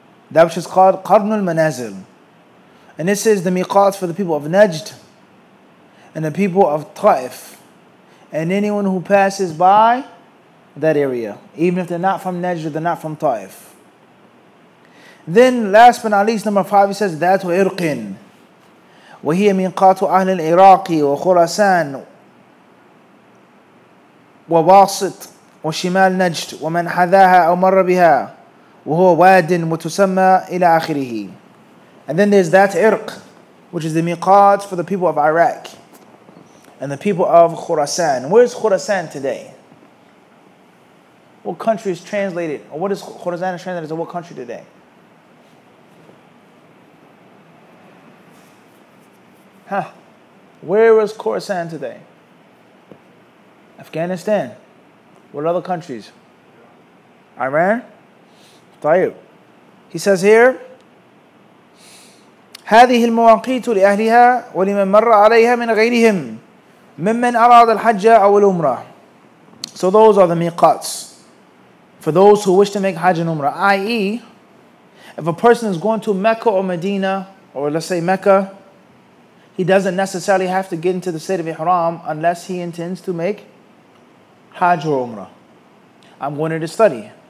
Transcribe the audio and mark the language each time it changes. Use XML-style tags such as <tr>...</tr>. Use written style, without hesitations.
<en>That which is called Qarnul Manazil. And this is the miqat for the people of Najd and the people of Taif. And anyone who passes by that area, even if they're not from Najd, they're not from Taif. Then last but not least, number five, he says,</en> <ar>ذات عرق وهي ميقات أهل العراق وخراسان وباسط وشمال نجد ومن حذاها أو مر بها وهو واد متسمى إلى آخره.</ar> <en>And then there's that عرق, which is the miqat for the people of Iraq and the people of Khurasan. Where is Khurasan today? What country is translated? Or what is Khurasan translated as what country today? Where is Khurasan today? Afghanistan. What other countries? Iran? Tayyib. He says here,</en> <ar>هذه المواقيت لأهلها ولمن مر عليها من غيرهم مِمَّنْ أَرَادَ الْحَجَّ أَوْ الْأُمْرَةِ.</ar> <en>So those are the miqats for those who wish to make Hajj and Umrah, i.e. if a person is going to Mecca or Medina, or let's say Mecca, he doesn't necessarily have to get into the state of Ihram unless he intends to make Hajj or Umrah. I'm going there to study.</en>